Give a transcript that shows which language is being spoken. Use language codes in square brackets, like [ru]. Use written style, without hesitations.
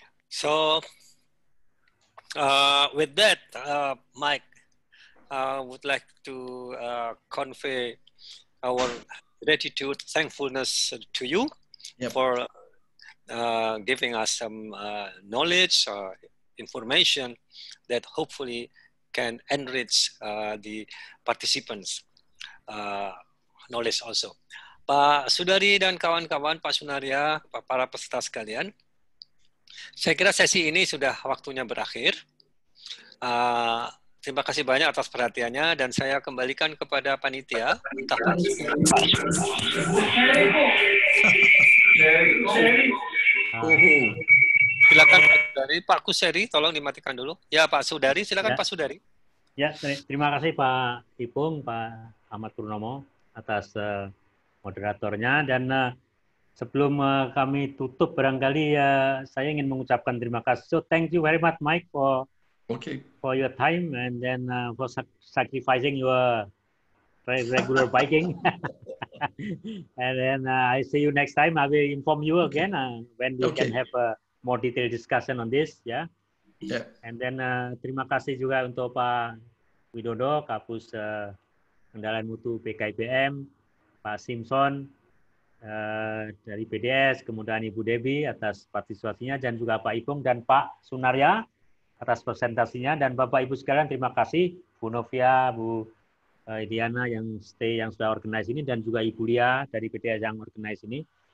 [en] So with that, Mike, would like to convey our gratitude, thankfulness to you for giving us some knowledge or information that hopefully can enrich the participants' knowledge also. [id] Pak Sudari dan kawan-kawan, Pak Sunaria, para peserta sekalian, saya kira sesi ini sudah waktunya berakhir. Terima kasih banyak atas perhatiannya, dan saya kembalikan kepada panitia. Entah Pak silakan Pak Sudari, Pak Kuseri, tolong dimatikan dulu. Ya Pak Sudari, silakan ya. Pak Sudari. Ya, terima kasih Pak Ipung, Pak Ahmad Purnomo atas moderatornya. Dan sebelum kami tutup, barangkali saya ingin mengucapkan terima kasih. [en] So thank you very much, Mike, for for your time and then for sacrificing your regular biking. And then I see you next time. I will inform you again when we can have a more detailed discussion on this. Yeah. Yeah. And then [id] terima kasih juga untuk Pak Widodo, Kapus Kendalian Mutu PKIBM, Pak Simpson dari BDS, kemudian Ibu Debbie atas partisipasinya, dan juga Pak Ipung dan Pak Sunaria atas presentasinya, dan Bapak-Ibu sekalian terima kasih, Bu Novia, Bu Idiana yang stay, yang sudah organize ini, dan juga Ibu Lia dari BDS yang organize ini.